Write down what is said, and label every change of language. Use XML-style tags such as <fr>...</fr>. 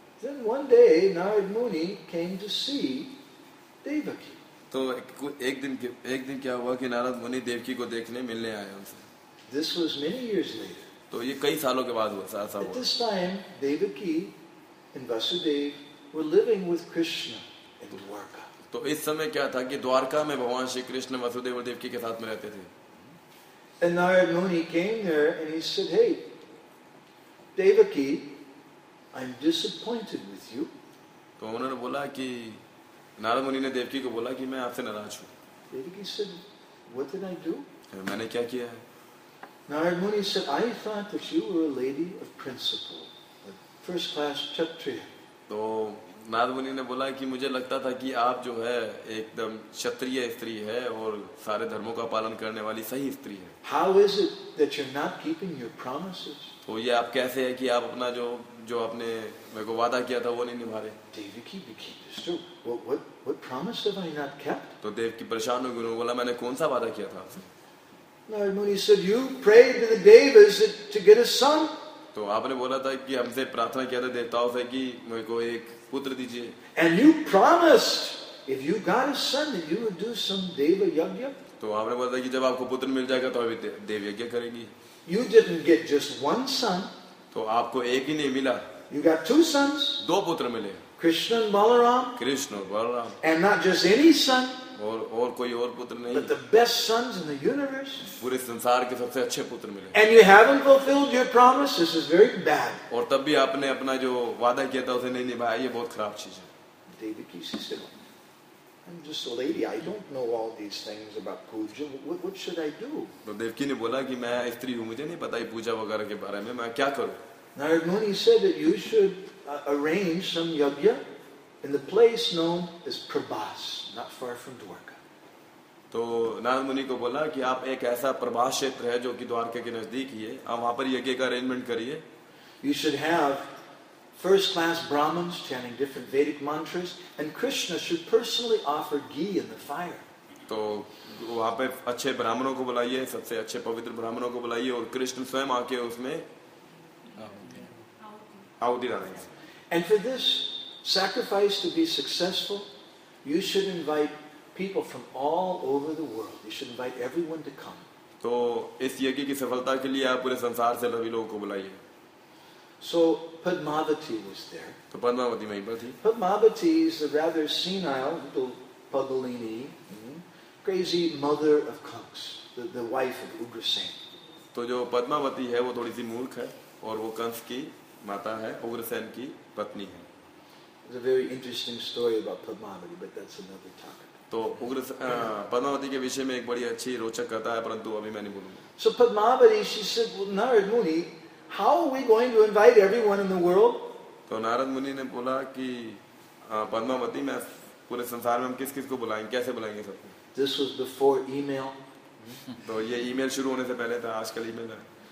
<en>Then one day Narad Muni came to see Devaki.</en> <hi>तो एक दिन क्या हुआ कि नारद मुनि देवकी को देखने मिलने आए उनसे.</hi> <en>This was many years later.</en> <hi>तो ये कई सालों के बाद हुआ ऐसा.</hi> <en>At this time, Devaki and Vasudev were living with Krishna in Dwarka.</en> <hi>तो इस समय क्या था कि द्वारका में भगवान श्री कृष्ण वसुदेव और देवकी के साथ में रहते थे.</hi> <en>And Narad Muni came there and he said, "Hey, Devaki, I'm disappointed with you."</en> <hi>तो उन्होंने बोला कि नारद मुनि ने देवकी को बोला कि मैं आपसे नाराज हूँ.</hi> <en>Devaki said, "What did I do?"</en> <hi>मैंने क्या किया है?</hi> <en>Narad Muni said, "I thought that you were a lady of principle, a first-class kshatriya."</en> <hi>तो नारद मुनि ने बोला कि मुझे लगता था कि आप जो है एकदम क्षत्रिय स्त्री है और सारे धर्मों का पालन करने वाली सही स्त्री है.</hi> <en>How is it that you're not keeping your promises?</en> <hi>तो ये आप कैसे है कि आप अपना जो जो आपने मेरे को वादा किया था वो नहीं निभा रहे?</hi> <en>Devaki became disturbed. What promise have I not kept?</en> <hi>तो देवकी परेशान हुई, उन्होंने बोला मैंने कौन सा वादा किया था आपसे?</hi> <en>Narad Muni said, "You prayed to the devas to get a son."</en> <hi>तो आपने बोला था कि हमसे प्रार्थना किया था देवताओं से कि मेरे को एक पुत्र दीजिए.</hi> <en>And you promised if you got a son, then you would do some deva yagya.</en> <hi>तो आपने बोला कि जब आपको पुत्र मिल जाएगा तो आप देव यज्ञ करेंगी.</hi> <en>You didn't get just one son.</en> <hi>तो आपको एक ही नहीं मिला.</hi> <en>You got two sons.</en> <hi>दो पुत्र मिले.</hi> <en>Krishna and Balaram.</en> <hi>कृष्ण और Balram.</hi> <en>And not just any son.</en> <hi>और कोई और पुत्र नहीं.</hi> <en>But the best sons in the universe.</en> <hi>पूरे संसार के सबसे अच्छे पुत्र मिले.</hi> <en>And you haven't fulfilled your promise. This is very bad.</en> <hi>और तब भी आपने अपना जो वादा किया था उसे नहीं निभाया. ये बहुत खराब चीज है. देवकी से</hi> <en>I'm just a lady. I don't know all these things about puja. What should I do?</en> <hi>तो देवकी ने बोला कि मैं स्त्री हूँ, मुझे नहीं पता ये पूजा वगैरह के बारे में, मैं क्या करूँ?</hi> <en>Narad Muni said that you should arrange some yagya in the place known as Prabhas, not far from Dwarka.</en> <hi>तो नारद मुनि को बोला कि आप एक ऐसा प्रभास क्षेत्र है जो कि द्वारका के नजदीक ही है, आप वहाँ पर यज्ञ का अरेंजमेंट करिए.</hi> <en>You should have first-class Brahmins chanting different Vedic mantras, and Krishna should personally offer ghee in the fire.</en> <hi>तो वहाँ पे अच्छे ब्राह्मणों को बुलाइए, सबसे अच्छे पवित्र ब्राह्मणों को बुलाइए, और कृष्ण स्वयं आके उसमें आहुति डालेंगे.</hi> <en>And for this sacrifice to be successful, you should invite people from all over the world. You should invite everyone to come.</en> <hi>तो इस यज्ञ की सफलता के लिए आप पूरे संसार से सभी लोगों को बुलाइए.</hi> <en>So Padmavati was there.</en> <hi>तो पद्मावती वहीं पर थी.</hi> <en>Padmavati is a rather senile little Pagalini, crazy mother of Kansa, the wife of Ugrasen.</en> <hi>तो जो पद्मावती है वो थोड़ी सी मूर्ख है और वो कंस की माता है, उग्रसेन की पत्नी है.</hi> <en>It's a very interesting story about Padmavati, but that's another topic.</en> <hi>तो पद्मावती के विषय में एक बड़ी अच्छी रोचक कथा है, परंतु अभी मैं नहीं बोलूंगा.</hi> <en>So Padmavati, she said, well, Narad Muni, how are we going to invite everyone in the world?</en> <hi>तो नारद मुनि ने बोला कि पद्मावती, मैं पूरे संसार में हम किस किस को बुलाएं, कैसे बुलाएंगे सबको?</hi> <en>This was before email.</en> <hi>तो ये ईमेल शुरू होने से पहले था, आजकल ईमेल है.</hi>